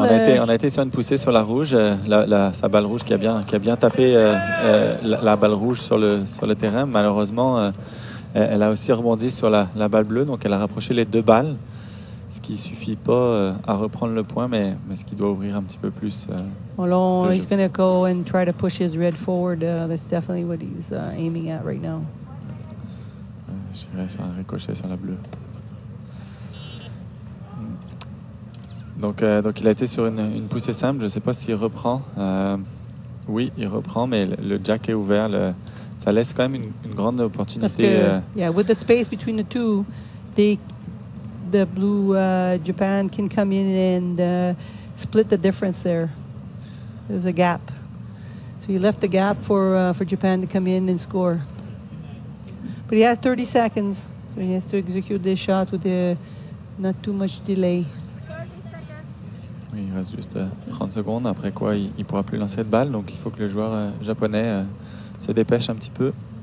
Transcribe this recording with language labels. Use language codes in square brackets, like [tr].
[fr] On a été sur une poussée sur la rouge, sa balle rouge qui a bien tapé la balle rouge sur le terrain. Malheureusement, elle a aussi rebondi sur la balle bleue, donc elle a rapproché les deux balles, ce qui suffit pas à reprendre le point, mais ce qui doit ouvrir un petit peu plus. [en] He's going to go and try to push his red forward. That's definitely what he's aiming at right now. [fr] J'irai sur un ricochet sur la bleue. Donc il a été sur une poussée simple. Je ne sais pas s'il reprend. Oui, il reprend, mais le jack est ouvert. Ça laisse quand même une grande opportunité. Parce que, [en] with the space between the two, the blue Japan can come in and split the difference there. There's a gap. So he left the gap for Japan to come in and score. But he has 30 seconds, so he has to execute this shot with not too much delay. [fr] Il reste juste 30 secondes, après quoi il ne pourra plus lancer de balle, donc il faut que le joueur japonais se dépêche un petit peu.